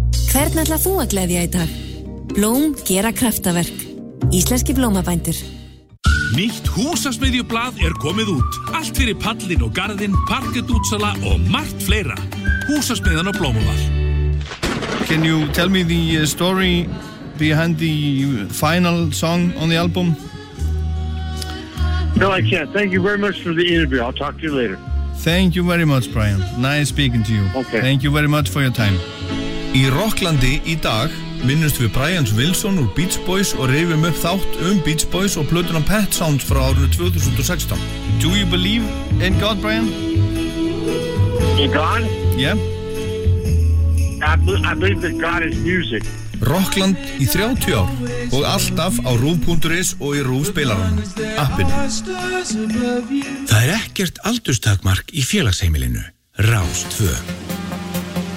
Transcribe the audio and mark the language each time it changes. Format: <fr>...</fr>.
<is>Hvern ætla þú að gleðja í dag? Blóm gera kraftaverk. Íslenski blómabændur. Nýtt húsasmiðjublað komið út. Allt fyrir pallinn og garðinn, parkettútsala og margt fleira. Húsasmiðan og blómavall.</is> <en>Can you tell me the story behind the final song on the album? No, I can't. Thank you very much for the interview. I'll talk to you later. Thank you very much, Brian. Nice speaking to you. Okay. Thank you very much for your time.</en> <is>Í Rocklandi í dag minnust við Brian Wilson úr Beach Boys og reyfum upp þátt Beach Boys og plötuna Pet Sounds frá árunni 2016.</is> <en>Do you believe in God, Brian? In God? Yeah. I believe that God is music.</en> <is>Rockland í 30 ár og alltaf á rúf.is og í rúfspilaranum, appinu. Það ekkert aldurstakmark í félagsheimilinu, Rás 2.</is>